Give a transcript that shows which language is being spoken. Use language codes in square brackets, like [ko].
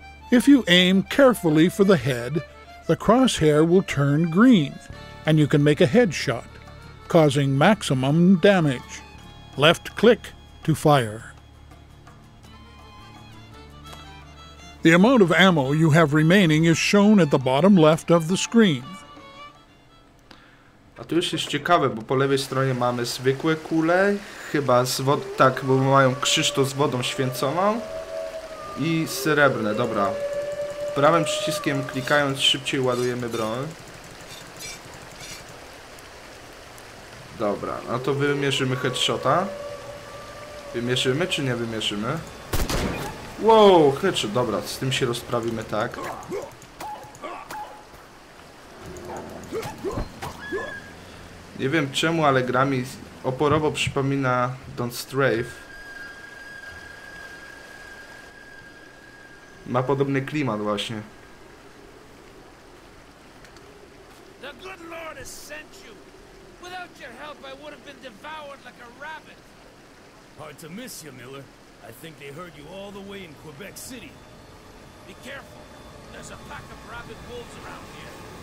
[en] If you aim carefully for the head, the crosshair will turn green, and you can make a headshot, causing maximum damage. Left click to fire. The amount of ammo you have remaining is shown at the bottom left of the screen. [pl] A tu już jest ciekawe, bo po lewej stronie mamy zwykłe kule, chyba z wodą, tak, bo mają krzyż to z wodą święconą. I srebrne, dobra. Prawym przyciskiem klikając szybciej ładujemy broń. Dobra, no to wymierzymy headshota. Wymierzymy czy nie wymierzymy? Wow, headshot, dobra, z tym się rozprawimy tak. Nie wiem czemu, ale gra mi oporowo przypomina Don't Strafe. Ma podobny klimat właśnie. [en] The good Lord has sent you. Without your help I would have been devoured like a rabbit. Hard to miss you, Miller. I think they heard you all the way in Quebec City. Be careful. There's a pack of rabbit wolves around here.